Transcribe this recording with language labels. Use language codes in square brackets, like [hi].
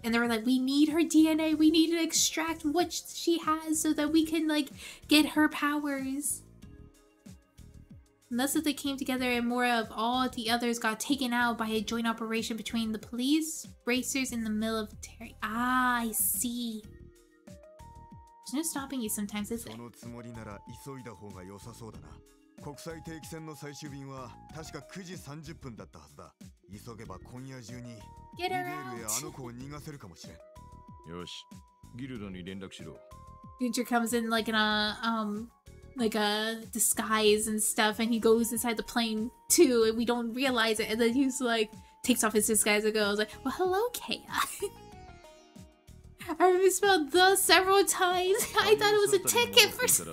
[en] And they were like, we need her DNA. We need to extract what she has so that we can, like, get her powers. And thus, if they came together and more of all the others got taken out by a joint operation between the police, racers, and the military. Ah, I see. There's no stopping you sometimes, is it? [ja] そのつもりなら急いだ方が良さそうだな。国際定期船の最終便は確か9時30分だったはずだ。急げば今夜中にリベールへあの子を逃がせるかもしれん。よし、ギルドに連絡しろ。 [en] Future comes in like in a, like a disguise and stuff, and he goes inside the plane too, and we don't realize it, and then he's like, takes off his disguise and goes like, well, hello, Kea. I've misspelled the several times. I thought it was a ticket for.